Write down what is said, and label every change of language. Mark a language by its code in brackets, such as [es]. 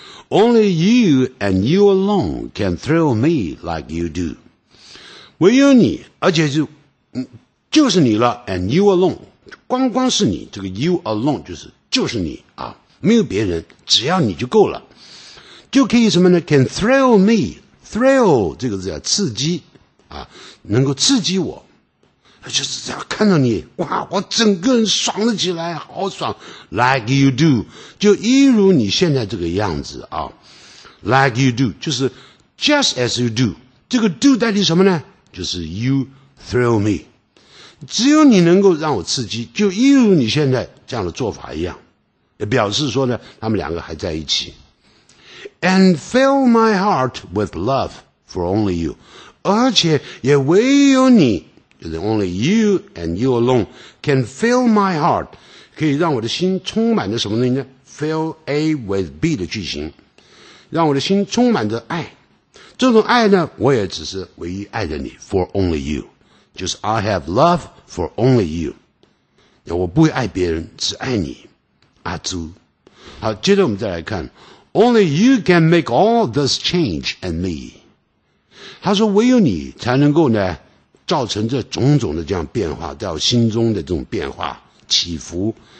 [en] Only you and you alone can thrill me like you do， [zh] 唯有你，而且就是你了， [en] and you alone， [zh] 光光是你，这个 [en] you alone [zh] 就是你啊，没有别人，只要你就够了，就可以什么呢？ [en] Can thrill me， [zh] thrill 这个字叫刺激啊，能够刺激我，就是这样看到你，哇，我整个人爽了起来，好爽。 [en] Like you do， [zh] 就一如你现在这个样子啊。 [en] Like you do， [zh] 就是 [en] just as you do， [zh] 这个 do 代替什么呢？就是 [en] you thrill me， [zh] 只有你能够让我刺激，就一如你现在这样的做法一样。也表示说呢他们两个还在一起。 [en] And fill my heart with love for only you， [zh] 而且也唯有你，就是 [en] only you and you alone can fill my heart， [zh] 可以让我的心充满着什么东西呢？ [en] fill A with B [zh] 的句型，让我的心充满着爱，这种爱呢我也只是唯一爱着你， [en] for only you， [zh] 就是 [en] I have love for only you， [zh] 我不会爱别人，只爱你阿朱。好，接着我们再来看 [en] Only you can make all this change in me。 [zh] 他说唯有你才能够呢造成这种种的这样变化，在我心中的这种变化起伏。